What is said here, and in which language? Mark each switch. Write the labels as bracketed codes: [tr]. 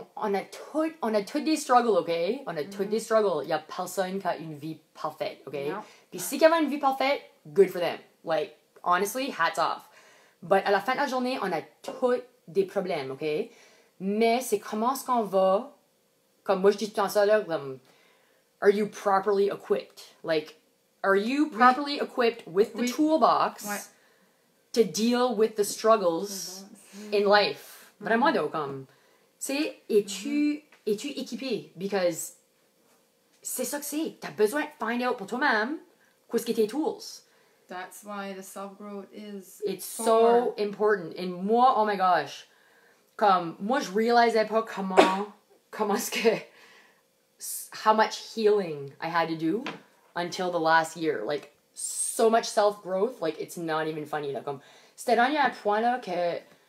[fr] On a tous des struggles, OK? On a tous des struggles. Il n'y a personne qui a une vie parfaite, OK? Puis si quelqu'un a une vie parfaite, [en] good for them. Like, honestly, hats off. But [fr] à la fin de la journée, on a tous des problèmes, OK? Mais c'est comment est-ce qu'on va... Comme moi, je dis tout en ça, là, comme... [en] Are you properly equipped? Like, are you properly equipped with the toolbox to deal with the struggles in life? [fr] Vraiment, donc, comme... Tu sais, es-tu équipé? [en] Because [fr] c'est ça que c'est. T'as besoin de [en] find out [fr] pour toi-même qu'est-ce que tes tools. [en] That's why the self-growth is... It's so important. [fr] Et moi, [en] oh my gosh, [fr] comme, moi, je réalisais pas comment est-ce que... [en] How much healing I had to do until the last year. Like, so much self-growth, like, it's not even funny. [fr] Là, comme, c'était rendu à un point là que...